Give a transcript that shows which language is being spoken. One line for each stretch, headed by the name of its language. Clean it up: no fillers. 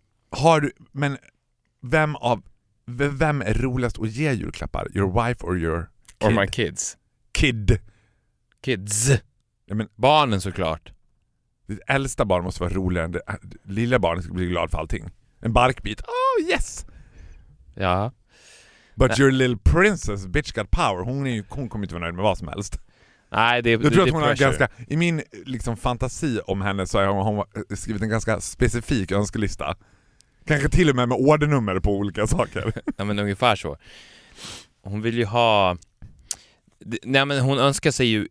Swedish: Har du, men vem är roligast att ge julklappar?
English: Your wife or your kid? Or my kids. Kid.
Swedish: Kids. Ja, men barnen såklart. Ditt äldsta barn måste vara roligare än det. Lilla barnet ska bli glad för allting. En barkbit.
English: Oh, yes!
Swedish: Ja.
English: But your little princess, bitch got power.
Swedish: Hon kommer inte vara nöjd med vad som helst. Nej, det är pressure. Hon har ganska, i min liksom, fantasi om henne så har hon skrivit en ganska specifik önskelista. Kanske till och med ordernummer på olika saker. Ja, men ungefär så. Hon vill ju ha... Nej, men hon önskar sig ju...